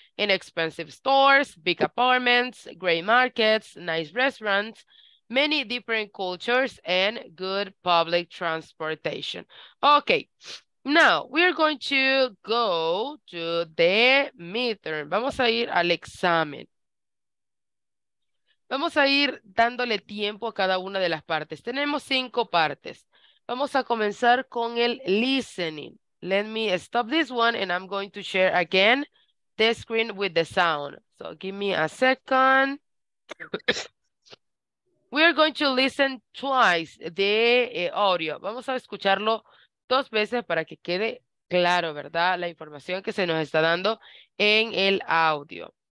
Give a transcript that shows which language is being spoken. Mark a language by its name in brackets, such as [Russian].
[English] Inexpensive stores, big apartments, great markets, nice restaurants, many different cultures, and good public transportation. Okay, now we are going to go to the midterm. [Spanish] Vamos a ir al examen. Vamos a ir dándole tiempo a cada una de las partes. Tenemos cinco partes. Vamos a comenzar con el listening. [English] Let me stop this one and I'm going to share again the screen with the sound. So give me a second. We are going to listen twice the audio. [Spanish] Vamos a escucharlo dos veces para que quede claro, ¿verdad? La información que se nos está dando en el audio.